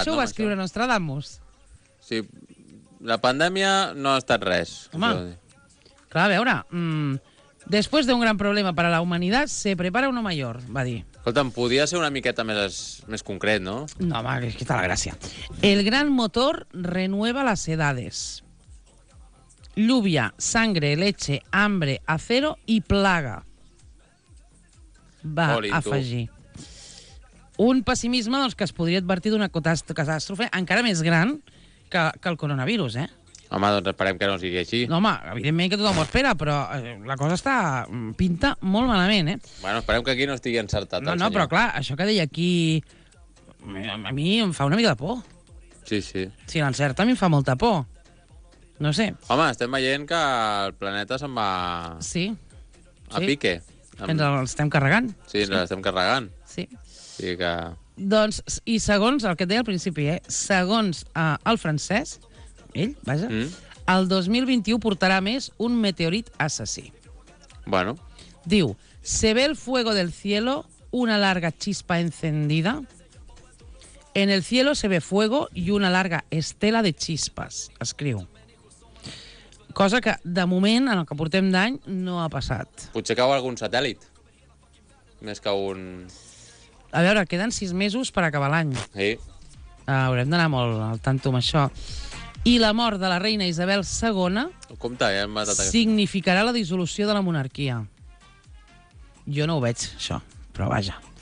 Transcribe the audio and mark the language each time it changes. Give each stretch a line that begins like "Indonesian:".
Catalan: Això ho va escriure Nostradamus. Sí, la pandèmia no ha estat res. Home, clar, a veure... Després d'un gran problema per a la humanitat,
Spanish: se prepara uno mayor,
Catalan: va dir. Escolta'm, podia ser una miqueta més concret, no? No, home, que està la gràcia.
Spanish: El gran motor renueva las edades. Lluvia, sangre, leche, hambre, acero y plaga.
Catalan: Va afegir. Un pessimisme que es podria advertir d'una catàstrofe encara més gran que el coronavirus, eh? Home, doncs esperem que no sigui així. No, home, evidentment que tothom ho espera, però la cosa està pinta molt malament, eh? Bueno, esperem que aquí no estigui encertat el senyor. No, però clar, això que deia aquí... A mi em fa una mica de por. Sí, sí. Si l'encerta, a mi em fa molta por. No sé. Home, estem veient que el planeta se'n va... Sí. A pique. Que ens l'estem carregant. Sí, ens l'estem carregant. Sí. Sí que... Doncs, i segons el que et deia al principi, eh? Segons el francès... Ell, vaja. Mm. El 2021 portarà més un meteorit assassí. Bueno.
Spanish: Diu, se ve el fuego del cielo, una larga chispa encendida. En el cielo se ve fuego y una larga estela de chispas, escriu.
Catalan: Cosa que, de moment, en el que portem d'any, no ha passat. Potser cau algun satèl·lit. Més que un... A veure, queden 6 mesos per acabar l'any. Sí. Haurem d'anar molt al tanto amb això. I la mort de la reina Isabel II... Compte, ja hem matat aquesta... ...significarà la dissolució de la monarquia. Jo no ho veig, això, però vaja.